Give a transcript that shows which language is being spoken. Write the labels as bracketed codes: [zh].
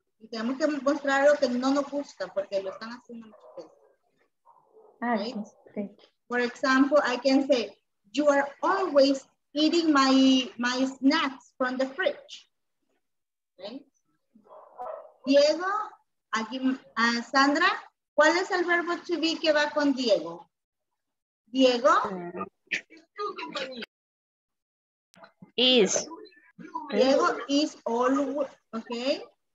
[es] Y tenemos que mostrar lo que no nos gusta porque lo están haciendo muchas veces. [en] Right? Okay. For example, I can say, you are always eating my snacks from the fridge. Right? [es] Diego, aquí, Sandra, ¿cuál es el verbo to be que va con Diego? Diego? [en] Is. Diego is always, okay?